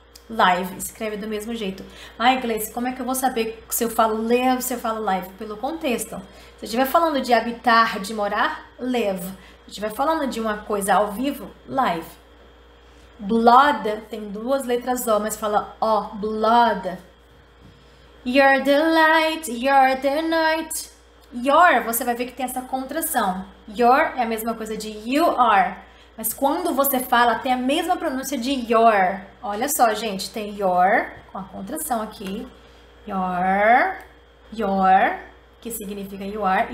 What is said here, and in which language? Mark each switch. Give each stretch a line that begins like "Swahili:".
Portuguese: Live, escreve do mesmo jeito. Ai, Gleice, como é que eu vou saber se eu falo live, se eu falo live? Pelo contexto. Se eu estiver falando de habitar, de morar, live. Se eu estiver falando de uma coisa ao vivo, live. Blood, tem duas letras O, mas fala O, blood.
English: You're the light, you're the night.
Portuguese: Your, você vai ver que tem essa contração. Your é a mesma coisa de
English: you are.
Portuguese: Mas quando você fala, tem a mesma pronúncia de your. Olha só, gente, tem your, com a contração aqui. Your, your, que significa
English: you are.